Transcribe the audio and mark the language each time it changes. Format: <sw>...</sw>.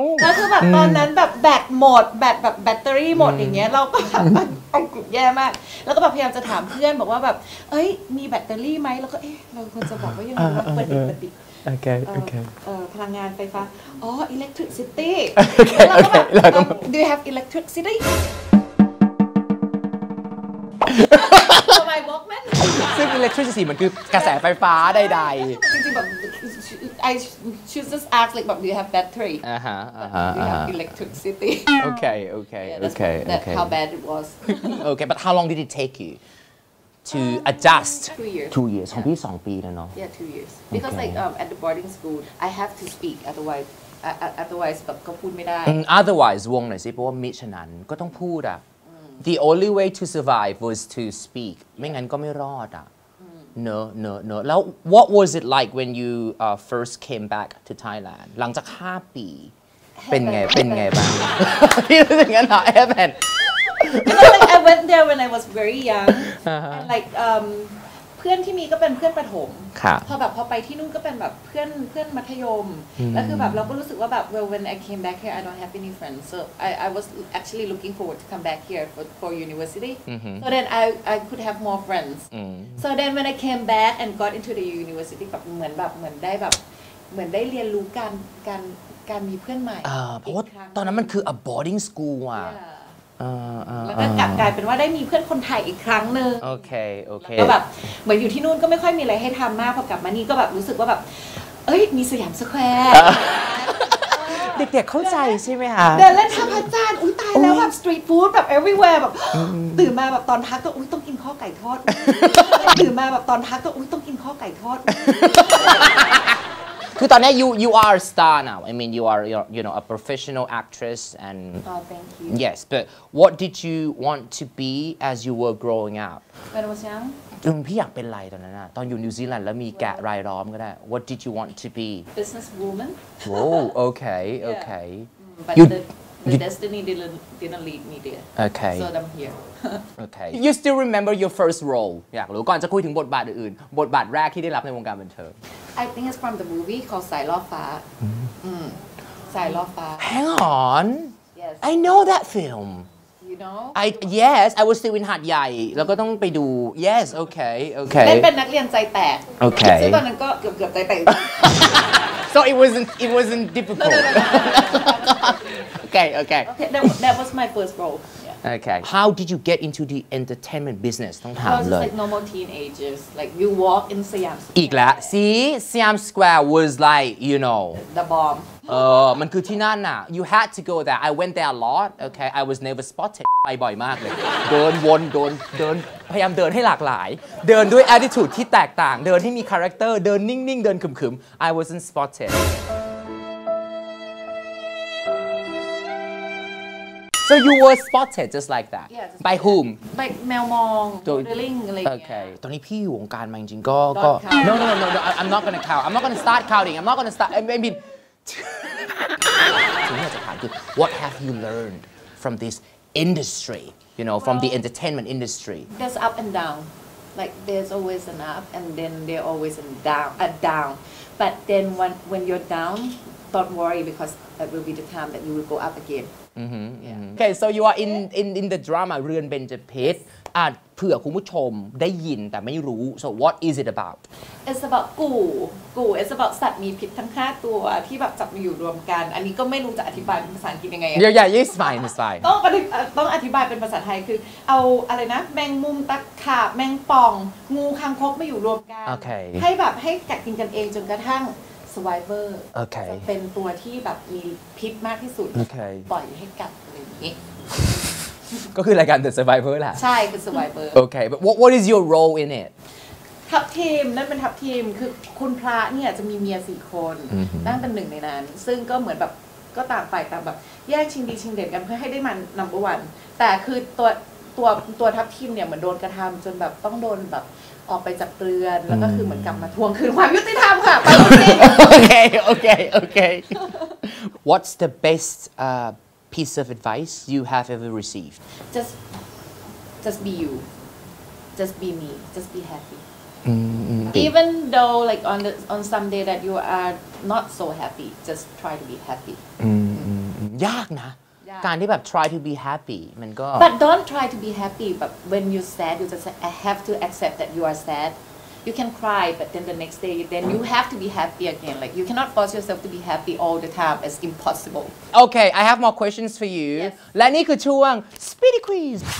<th>ก็คือแบบตอนนั้นแบบแบตหมดแบตแบบแบตเตอรี่หมดอย่างเงี้ยเราก็แบบอ่อนกุดแย่มากแล้วก็แบบพยายามจะถามเพื่อนบอกว่าแบบเอ้ยมีแบตเตอรี่ไหมแล้วก็เอ๊ะเราควรจะบอกว่ายังไงปกติ โอเคโอเค พลังงานไฟฟ้าอ๋ออิเล็กทริกซิตี้โอเคโอเคแล้วก็</th> <en>Do you have electricity? My Walkman</en> <th>ซึ่ง electricity มันคือกระแสไฟฟ้าใดๆ จริงๆแบบ</th> <en>I choose just ask like but do you have battery? Uh-huh, uh-huh, uh-huh. Electricity. Okay, okay, yeah, that's okay, that, okay. How bad it was. Okay, but how long did it take you? To adjust. 2 years. 2 years. Yeah. 2 years. Yeah, 2 years. Because at the boarding school, I have to speak otherwise, but</en> <th>ก็พูดไม่ได้</th> <en>Otherwise,</en> <th>วงหน่อยสิเพราะว่ามิฉะนั้นก็ต้องพูดอ่ะ</th> <en>The only way to survive was to speak.</en> <th>ไม่งั้นก็ไม่รอดอ่ะ</th> <en>No, no, no.</en> <th>แล้ว</th> <en>what was it like when you first came back to Thailand?</en> <th>หลังจาก5ปีเป็นไงบ้างที่รู้สึกงั้นเหรอ Evan?</th> <en>Because like I went there when I was very young and like</en> <th>เพื่อนที่มีก็เป็นเพื่อนประถม ค่ะ พอแบบพอไปที่นู่นก็เป็นแบบเพื่อนมัธยมแล้วคือแบบเราก็รู้สึกว่าแบบ</th> <en>well when I came back here I don't have any friends so I was actually looking forward to come back here for university mm-hmm. so then I could have more friends mm-hmm. so then when I came back and got into the university</en> <th>แบบเหมือนได้เรียนรู้การมีเพื่อนใหม่เพราะตอนนั้นมันคือ</th> <en>a boarding school</en> <th>อ่ะ แล้วก็กลายเป็นว่าได้มีเพื่อนคนไทยอีกครั้งนึง โอเคโอเค แล้วแบบเหมือนอยู่ที่นู่นก็ไม่ค่อยมีอะไรให้ทำมากพอกลับมานี่ก็แบบรู้สึกว่าแบบเอ้ยมีสยามสแควร์ เด็กๆเข้าใจใช่ไหมคะ เดินเล่นท่าพระจันทร์อุ้ยตายแล้วแบบสตรีทฟู้ดแบบ everywhere แบบตื่นมาแบบตอนพักก็อุ้ยต้องกินข้อไก่ทอดตื่นมาแบบตอนพักก็อุ้ยต้องกินข้อไก่ทอด คือตอนนี้</th> <en>you are a star now I mean you are a professional actress and oh thank you yes but what did you want to be as you were growing up when I was young</en> <th>จริงพี่อยากเป็นอะไรตอนนั้นอะตอนอยู่นิวซีแลนด์แล้วมีแกะรายล้อมก็ได้</th> <en>what did you want to be businesswoman oh okay okay yeah. but the destiny didn't lead me there okay so I'm here okay you still remember your first role</en> <th>อยากรู้ก่อนจะคุยถึงบทบาทอื่นบทบาทแรกที่ได้รับในวงการบันเทิง</th> <en>I think it's from the movie called สายล่อฟ้า สายล่อฟ้า Hang on Yes I know that film You know I Yes I was still in</en> <th>หาดใหญ่แล้วก็ต้องไปดู</th> <en>Yes okay okay</en> <th>เล่นเป็นนักเรียนใจแตก</th> <en>okay</en> <th>ซึ่งตอนนั้นก็เกือบใจแตก</th> <en>so it wasn't difficult okay that was my first role Okay. How did you get into the entertainment business? Don't have like normal teenagers. Like you walk in Siam Square.</en> <th>อีกแล้ว</th> <en>See Siam Square was like you know the bomb.</en> <th>มันคือที่นั่นน่ะ</th> <en>You had to go there. I went there a lot. Okay. I was never spotted.</en> <th>ไปบ่อยมากเลยเดินวนเดินพยายามเดินให้หลากหลายเดินด้วย attitude ที่แตกต่างเดินให้มีคาแรคเตอร์เดินนิ่งๆเดินขึ้มๆ</th> <en>I wasn't spotted. So you were spotted just like that. Yeah, by whom?</en> <th>By แมวมองโดยลิงอะไร โอเคตอนนี้พี่อยู่วงการมาจริงๆก็</th> <en>No. I'm not gonna start counting. I mean</en> <th>ทีนี้จะถามคือ</th> <en>What have you learned from this industry? You know, from the entertainment industry. There's up and down. Like there's always an up and then there's always a down. But then when you're down, don't worry because that will be the time that you will go up again. Mm-hmm. Yeah. Okay, so you are in the drama เรือนเบญจพิตร</en> <th>เผื่อคุณผู้ชมได้ยินแต่ไม่รู้</th> <en>so what is it about it's about</en> <th>กู it's about สัตว์มีพิษทั้ง5ตัวที่แบบจับมาอยู่รวมกันอันนี้ก็ไม่รู้จะอธิบายเป็นภาษาอังกฤษยังไง อย่า</th> <en>yes fine</en> <th>ต้องอธิบายเป็นภาษาไทยคือเอาอะไรนะแมงมุมตะขาบแมงป่องงูคางคกมาอยู่รวมกัน</th> <en>okay.</en> <th>ให้แบบให้กัดกินกันเองจนกระทั่งSurvivor</th> <en>okay.</en> <th>จะเป็นตัวที่แบบมีพิษมากที่สุด</th> <en>okay.</en> <th>ปล่อยให้กัดอะไรอย่าง นี้ก็คือรายการ The Survivor แหละ ใช่คือ Survivor</th> <en>okay but what is your role in it</en> <th>ทัพทีมนั่นเป็นทัพทีมคือคุณพระเนี่ยจะมีเมีย4คนนั่งเป็นหนึ่งในนั้นซึ่งก็เหมือนแบบ ก็ต่างฝ่ายต่างแบบแย่งชิงดีชิงเด่นกันเพื่อให้ได้มันนัมเบอร์วันแต่คือตัวทัพทีมเนี่ยเหมือนโดนกระทำจนแบบต้องโดนแบบออกไปจากเรือนแล้วก็คือเหมือนกลับมาทวงคืนความยุติธรรมค่ะไป โอเคโอเคโอเค</th> <en>What's the best piece of advice you have ever received just be you just be me just be happyEven though, like on some day that you are not so happy, just try to be happy.</en> <th>ยากนะการที่แบบ</th> <en>try to be happy</en> <th>มันก็</th> <en>But don't try to be happy. But when you're sad, you just say, I have to accept that you are sad. You can cry, but then the next day, then you have to be happy again. Like you cannot force yourself to be happy all the time. It's impossible. Okay, I have more questions for you. Yes.</en> <th>และนี่คือช่วง Speedy Quiz.</th>